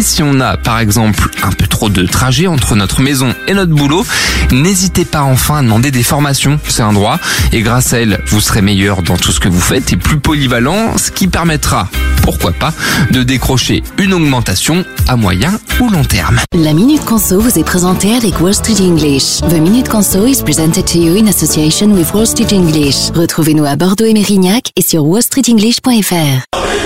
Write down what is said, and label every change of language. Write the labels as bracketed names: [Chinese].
[French] Si on a, par exemple, un peu trop de trajet entre notre maison et notre boulot, n'hésitez pas enfin à demander des formations, c'est un droit. Et grâce à elles, vous serez meilleur dans tout ce que vous faites et plus polyvalent, ce qui permettra, pourquoi pas, de décrocher une augmentation à moyen ou long terme. La Minute Conso vous est présentée avec Wall Street English. [English] The Minute Conso is presented to you in association with Wall Street English. [French] Retrouvez-nous à Bordeaux et Mérignac et sur wallstreetenglish.fr.